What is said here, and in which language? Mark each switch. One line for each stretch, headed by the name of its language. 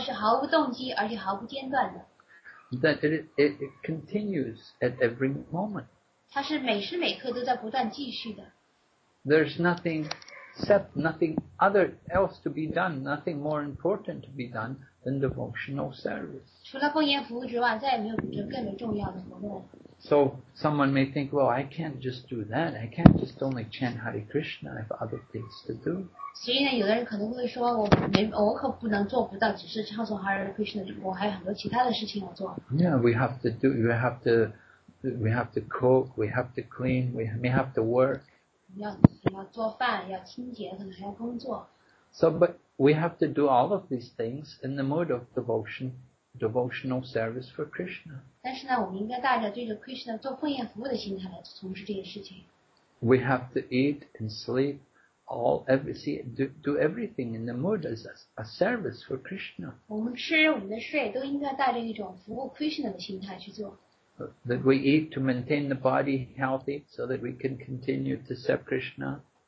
Chinese: 所以呢，在这里他就描述了纯粹归依服务的特征，也就是说，它是毫无动机，而且毫无间断的。
English: That it continues at every moment.
Chinese: 它是每时每刻都在不断继续的。
English: There's nothing. Except nothing other else to be done, nothing more important to be done than devotional service.
Chinese: 除了奉献服务之外，再也没有更为重要的活动。
English: So someone may think, well, I can't just do that. I can't just only chant Hare Krishna. I have other things to do.
Chinese: 所以呢，有的人可能会说，我可不能做不到，只是唱诵 Hare Krishna. 我还有很多其他的事情要做。
English: Yeah, we have to cook, we have to clean, we may have to work.
Chinese: 要做饭，要清洁，可能还要工作。
English: So, but we have to do all of these things in the mood of devotion, devotional service for Krishna.
Chinese: 但是呢，我们应该带着对着 Krishna 做奉献服务的心态来从事这些事情。
English: We have to eat and sleep, do everything in the mood as a service for Krishna.
Chinese: 我们吃，我们的睡，都应该带着一种服务 Krishna 的心态去做。
English: That we eat to maintain the body healthy so that we can continue to serve Krishna.